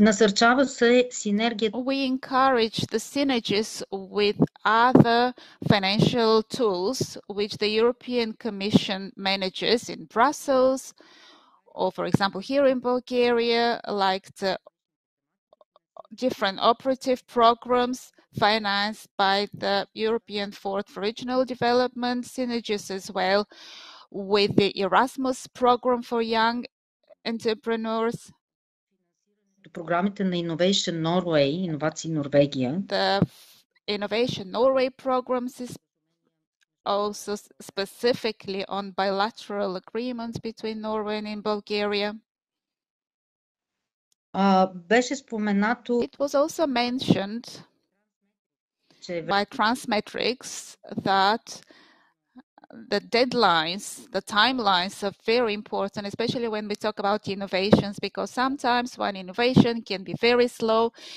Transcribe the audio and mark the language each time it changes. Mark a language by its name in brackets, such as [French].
[English] We encourage the synergies with other financial tools which the European Commission manages in Brussels, or for example here in Bulgaria, like the different operative programs financed by the European Fund for Regional Development, synergies as well with the Erasmus program for young entrepreneurs. [Bulgarian] Програмите на Innovation Norway, Иновации Норвегия. [English] The Innovation Norway programs is also specifically on bilateral agreements between Norway and Bulgaria. [Bulgarian] Беше споменато. [English] It was also mentioned by Transmetrics that the deadlines, the timelines are very important, especially when we talk about innovations, because sometimes one innovation can be very slow.